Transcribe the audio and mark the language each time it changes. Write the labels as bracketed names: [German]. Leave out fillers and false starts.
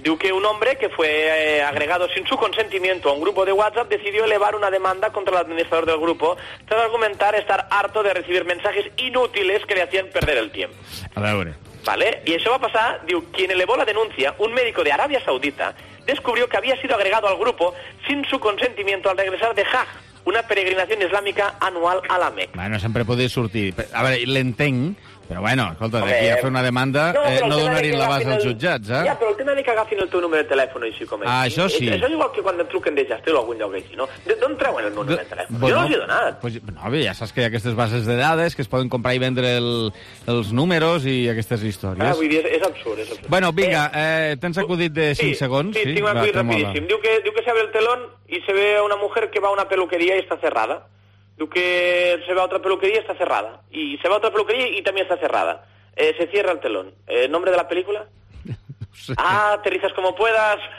[Catalan] Diu que [Spanish] un hombre que fue agregado sin su consentimiento a un grupo de WhatsApp decidió elevar una demanda contra el administrador del grupo tras argumentar estar harto de recibir mensajes inútiles que le hacían perder el tiempo. [Catalan] A veure. [Spanish] Vale, y eso va a pasar, diu, quien elevó la denuncia, un médico de Arabia Saudita, descubrió que había sido agregado al grupo sin su consentimiento al regresar de Hajj, [Catalan] una peregrinació islàmica anual a la Mec. Bueno, sempre podria sortir. A veure, l'entenc, però bueno, escolta, d'aquí a fer una demanda no donarien la base als jutjats, eh? Ja, però el tema de que agafin el teu número de telèfon així com és. Ah, això sí. Això és igual que quan et truquen de gestió o algun lloc així, no? D'on treuen el número de telèfon? Jo no els he donat. Pues, no, ja saps que hi ha aquestes bases de dades que es poden comprar i vendre els números i aquestes històries. Ah, vull dir, és absurd. Bueno, vinga, tens acudit de 5 segons. Sí, tinc acudit rapidíssim. Diu que [Spanish] s'abre el telón y se ve a una mujer que va a una peluquería y está cerrada. [Catalan] Diu que [Spanish] se va a otra peluquería y está cerrada. Y se va a otra peluquería y también está cerrada. Se cierra el telón. ¿Nombre de la película? No sé. ¡Ah, aterrizas como puedas!